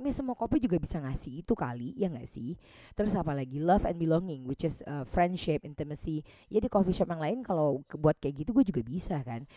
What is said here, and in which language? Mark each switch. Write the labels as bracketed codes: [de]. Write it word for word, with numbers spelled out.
[id] Ya semua kopi juga bisa ngasih itu kali, ya nggak sih? Terus apa lagi? [en] Love and belonging, which is uh, friendship, intimacy. [id] Ya di coffee shop yang lain kalau buat kayak gitu gue juga bisa kan.